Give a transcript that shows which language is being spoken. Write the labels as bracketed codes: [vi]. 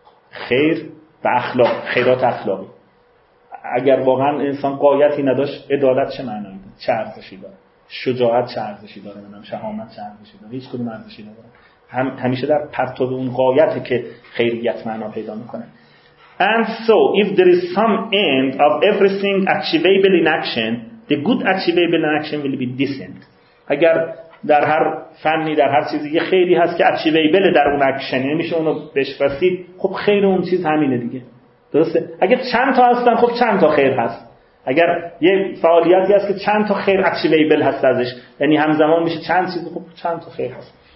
[fa] خیر و اخلاق، خیرات اخلاقی، اگر واقعا انسان غایتی نداشت، عدالت چه معنایی داره؟ چه ارزشی داره؟ شجاعت چه ارزشی داره؟ منم شهامت چه ارزشی داره؟ هیچ کدوم ارزشی نداره. همیشه در پرتو اون غایته که خیریت معنا پیدا میکنه. [en] And so if there is some end of everything achievable in action, the good achievable in action will be decent. [fa] اگر در هر فنی، در هر چیزی یه خیری هست که اچیویبل در اون اکشن، یعنی میشه اونو بهش رسید، خب خیر اون چیز همینه دیگه، درسته؟ اگه چند تا هستن، خب چند تا خیر هست. اگر یه فعالیتی هست که چند تا خیر اچیویبل هست ازش، یعنی همزمان میشه چند چیز، خب چند تا خیر هست.